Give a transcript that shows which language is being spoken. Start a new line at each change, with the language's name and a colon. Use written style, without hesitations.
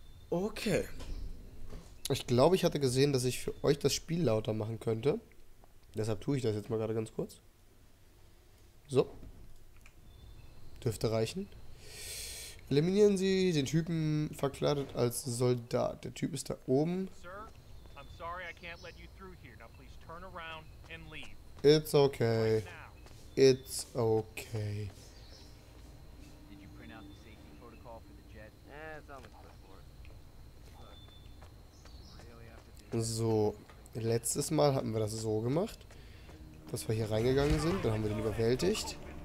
German: Okay. Ich glaube, ich hatte gesehen, dass ich für euch das Spiel lauter machen könnte. Deshalb tue ich das jetzt mal gerade ganz kurz. So. Dürfte reichen. Eliminieren Sie den Typen verkleidet als Soldat. Der Typ ist da oben.
English: Sir, I'm sorry I can't let you through here. Now please turn around and leave. It's Right okay. now. It's okay. Did you print out the safety protocol for the jet? It's on the clipboard.
German: So, letztes Mal hatten wir das so gemacht, dass wir hier reingegangen sind. Dann haben wir den überwältigt.